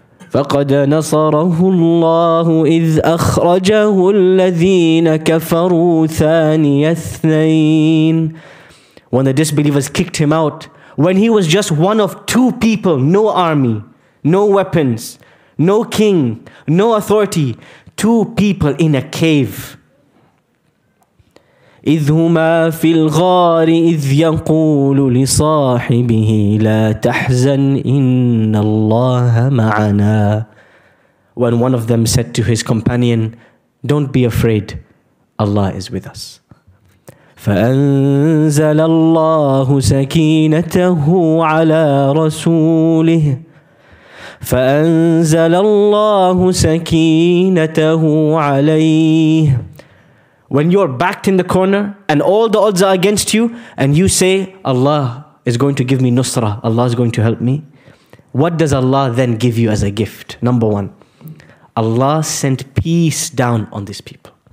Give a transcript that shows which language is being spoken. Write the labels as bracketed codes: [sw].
[ar] فَقَدْ نَصَرَهُ اللَّهُ إِذْ أَخْرَجَهُ الَّذِينَ كَفَرُوا ثَانِيَ اثْنَيْنِ. [en] When the disbelievers kicked him out, when he was just one of two people, no army, no weapons, no king, no authority, two people in a cave, [ar] إذ هما في الغار إذ يقول لصاحبه لا تحزن إن الله معنا. [en] When one of them said to his companion, don't be afraid, Allah is with us. [ar] فأنزل الله سكينته على رسوله فأنزل الله سكينته عليه. [en] When you're backed in the corner and all the odds are against you and you say, Allah is going to give me nusra, Allah is going to help me. What does Allah then give you as a gift? Number one, Allah sent peace down on these people.